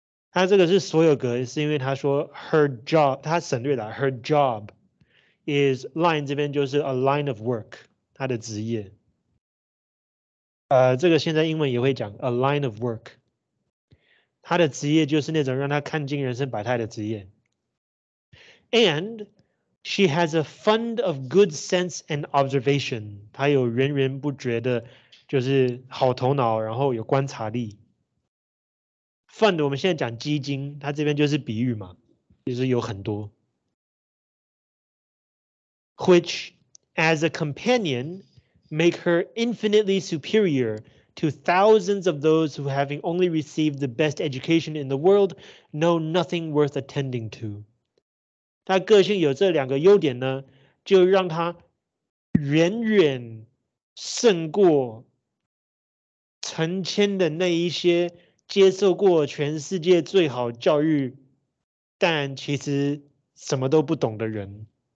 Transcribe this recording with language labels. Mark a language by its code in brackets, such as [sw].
[zh] 她这个是所有格，是因为她说 [en] her job， [zh] 她省略了 [en] her job is line， [zh] 这边就是 [en] a line of work， [zh] 她的职业。这个现在英文也会讲 [en] a line of work。 [zh] 她的职业就是那种让她看尽人生百态的职业。 [en] And she has a fund of good sense and observation. [zh] 她有源源不绝的，就是好头脑，然后有观察力。 Fund 我们现在讲基金，它这边就是比喻嘛，就是有很多。 [en] Which, as a companion, make her infinitely superior to thousands of those who, having only received the best education in the world, know nothing worth attending to. [zh] 他个性有这两个优点呢，就让他远远胜过成千的那一些接受过全世界最好教育但其实什么都不懂的人。